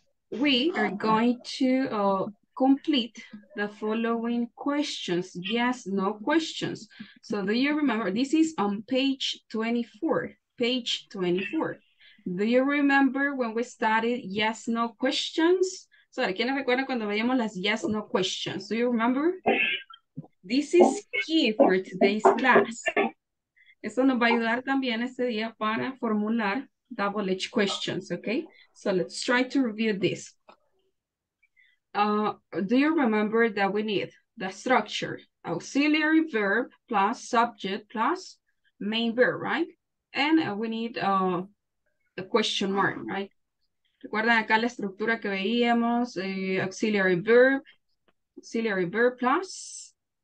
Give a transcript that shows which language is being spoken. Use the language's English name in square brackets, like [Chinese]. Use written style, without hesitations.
[English] We are going to complete the following questions. Yes, no questions. So do you remember, this is on page 24, page 24. Do you remember when we studied yes, no questions? [Spanish] Sorry, ¿quién recuerda cuando veíamos las yes, no questions? [English] Do you remember? This is key for today's class. [Spanish] Eso nos va a ayudar también este día para formular double H questions, okay? [English] So let's try to review this. Do you remember that we need the structure, auxiliary verb plus subject plus main verb, right? And we need a question mark, right? [Spanish] ¿Recuerdan acá la estructura que veíamos? [English] Auxiliary verb plus...